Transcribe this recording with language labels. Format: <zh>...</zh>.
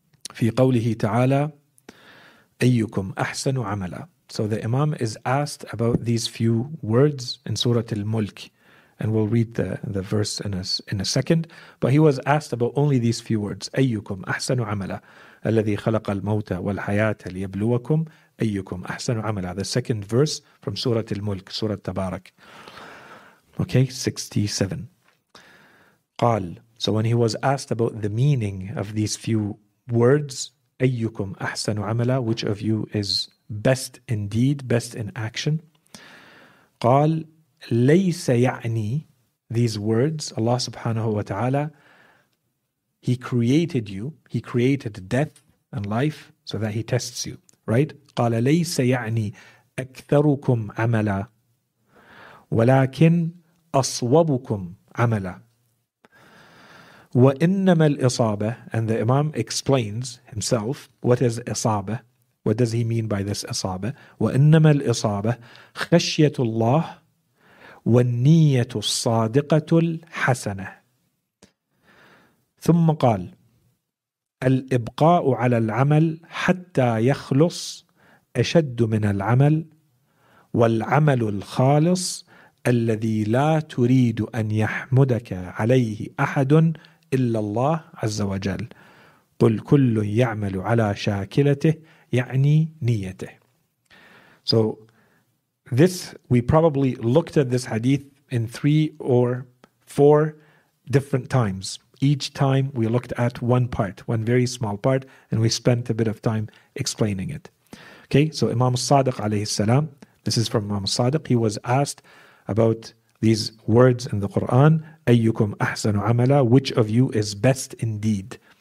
<ar>في قوله تعالى أيكم أحسن عملا.</ar> <en>So the Imam is asked about these few words in Surah Al-Mulk. And we'll read the verse in a second. But he was asked about only these few words.</en> <ar>أيكم أحسن عملا. الذي خلق الموت والحياة ليبلوكم. أيكم أحسن عملا.</ar> <en>The second verse from Surah Al-Mulk, Surah Tabarak. Okay, 67.</en> <ar>قال.</ar> <en>So when he was asked about the meaning of these few words,</en> <ar>أيكم أحسن عملا,</ar> <en>which of you is best indeed, best in action?</en> <ar>قال ليس يعني,</ar> <en>these words, Allah subhanahu wa ta'ala, He created you, He created death and life so that He tests you, right?</en> <ar>قال ليس يعني أكثركم عملا ولكن أصوبكم عملا وإنما الإصابة.</ar> <en>And the Imam explains himself, what is إصابة? What does he mean by this إصابة?</en> <ar>وإنما الإصابة خشية الله والنية الصادقة الحسنة ثم قال الإبقاء على العمل حتى يخلص أشد من العمل والعمل الخالص الذي لا تريد أن يحمدك عليه أحد إلا الله عز وجل قل كل يعمل على شاكلته يعني نيته.</ar> <en>So this, we probably looked at this hadith in 3 or 4 different times. Each time we looked at one part, one very small part, and we spent a bit of time explaining it. Okay, so Imam Sadiq alayhi salam, this is from Imam Sadiq, he was asked about these words in the Quran,</en> <ar>أَيُّكُمْ أَحْسَنُ عَمَلًا,</ar> <en>which of you is best indeed?</en>